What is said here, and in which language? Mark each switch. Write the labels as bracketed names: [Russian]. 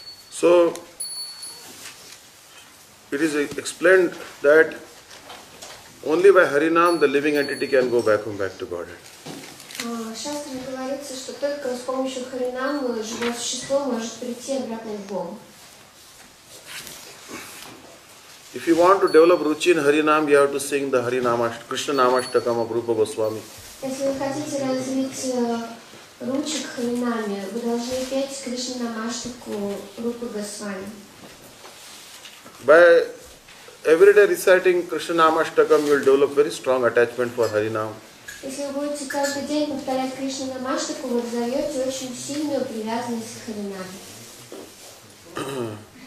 [English] So it is explained that only by Harinam the living entity can go back home, back to Godhead. [Russian] Шастрами говорится, что только с помощью Харинама живое существо может прийти обратно в Бога. [English] If you want to develop ruchi in Harinam, you have to sing the Harinama, Krishna Namashtakam of Rupa Goswami. [Russian] Если вы хотите развить ручи к Харинаме, вы должны петь Кришна Намаштаку Рупа Госвами. [English] By every day reciting Krishna Namashtakam, you will develop very strong attachment for Harinam. [Russian] Если вы будете каждый день повторять Кришна Намаштаку, вы взорвете очень сильную привязанность к Харинаме.